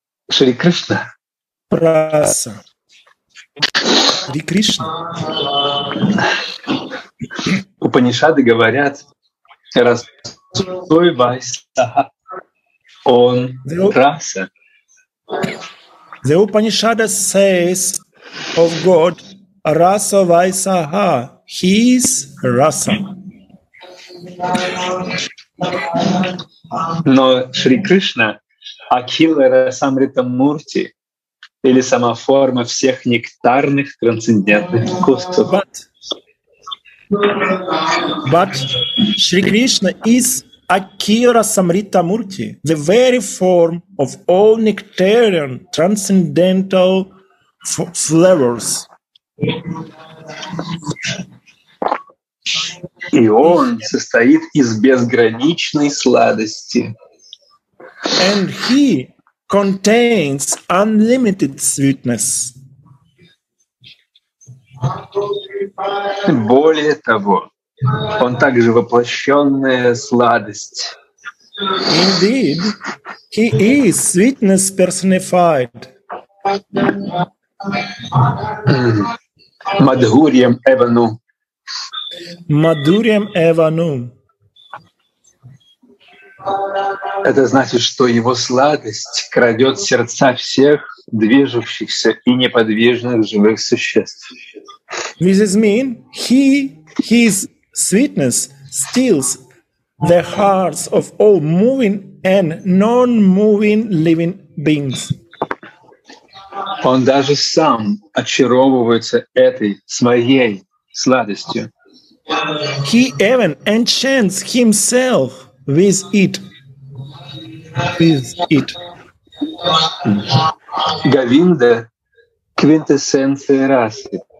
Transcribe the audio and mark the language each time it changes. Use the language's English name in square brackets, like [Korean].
[Russian] Шри Кришна. Раса. Шри Кришна. Упанишады говорят, раз Сой Вайса, он раса. [English] The Upanishad says of God, Rasa Vaisaha, he is Rasa. [Russian] Но Шри Кришна, Акхила Расамрита Мурти, или сама форма всех нектарных трансцендентных вкусов. [English] But But Shri Krishna is Akira Samrita Murti, the very form of all nectarian transcendental flavors. [Russian] И он состоит из безграничной сладости. [English] And he contains unlimited sweetness. [Russian] Более того, он также воплощенная сладость. [English] Indeed, he is sweetness personified. [Sanskrit] Madhuryam Evanu. Madhuryam Evanu. [Russian] Это значит, что его сладость крадет сердца всех движущихся и неподвижных живых существ. [English] This is mean he his sweetness steals the hearts of all moving and non-moving living beings. [Russian] Он даже сам очаровывается этой своей сладостью. [English] He even enchants himself with it. With it. Govinda, quintessence rasa.